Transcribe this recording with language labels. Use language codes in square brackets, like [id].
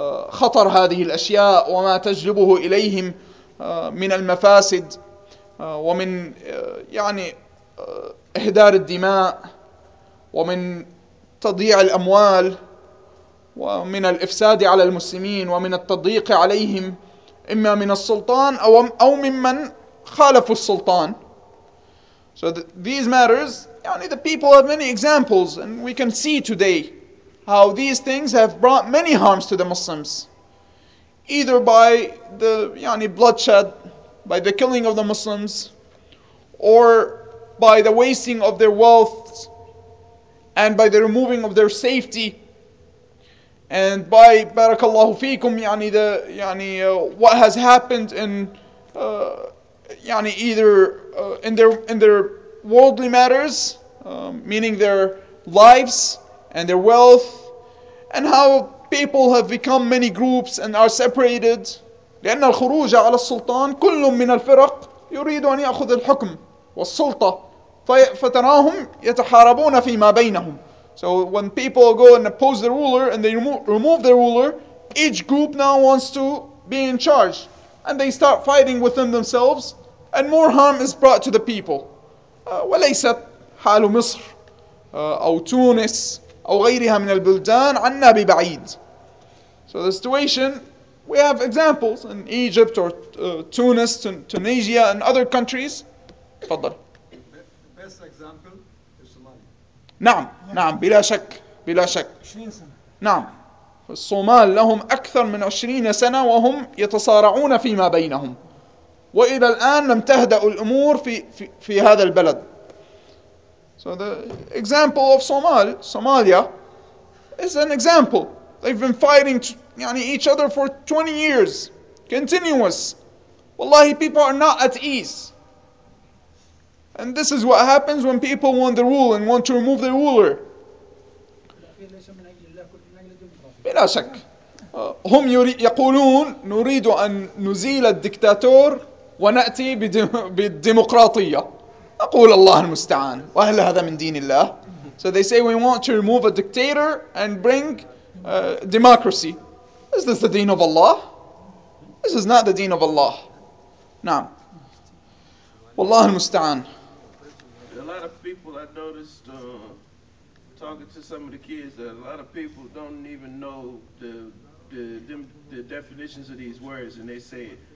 [ar] خطر هذه الأشياء وما تجلبه إليهم من المفاسد ومن يعني إهدار الدماء ومن تضييع الأموال ومن الإفساد على المسلمين ومن التضييق عليهم إما من السلطان أو ممن خالفوا السلطان. [en] So these matters, يعني the people have many examples and we can see today how these things have brought many harms to the Muslims, either by the يعني bloodshed, by the killing of the Muslims, or by the wasting of their wealth, and by the removing of their safety, and by [ar] barakallahu feekum [en] يعني the يعني what has happened in يعني either in their worldly matters, meaning their lives and their wealth. And how people have become many groups and are separated. [ar] لأن الخروج على السلطان كل من الفرق يريد أن يأخذ الحكم والسلطة فتراهم يتحاربون فيما بينهم. [en] So when people go and oppose the ruler and they remove the ruler, each group now wants to be in charge. And they start fighting within themselves and more harm is brought to the people. [ar] وليست حال مصر أو تونس أو غيرها من البلدان عنا ببعيد. [en] So the situation, we have examples in Egypt or Tunis, Tunisia and other countries. [ar] تفضل. [en] Best example is Somalia. [ar] نعم بلا شك. 20 سنة. نعم. الصومال لهم أكثر من 20 سنة وهم يتصارعون فيما بينهم. وإلى الآن لم تهدأ الأمور في هذا البلد. [en] So the example of Somalia is an example. They've been fighting يعني each other for 20 years, continuous. Wallahi, people are not at ease. And this is what happens when people want the rule and want to remove the ruler. [ar] بلا شك. هم يقولون نريد أن نزيل الدكتاتور ونأتي بالديمقراطية. أقول الله المستعان وهل هذا من دين الله؟ [en] So they say we want to remove a dictator and bring democracy. Is this the deen of Allah? This is not the deen of Allah. [ar] Naam. Wallah al-musta'an. [en] A lot of people I noticed talking to some of the kids, that a lot of people don't even know the definitions of these words, and they say it.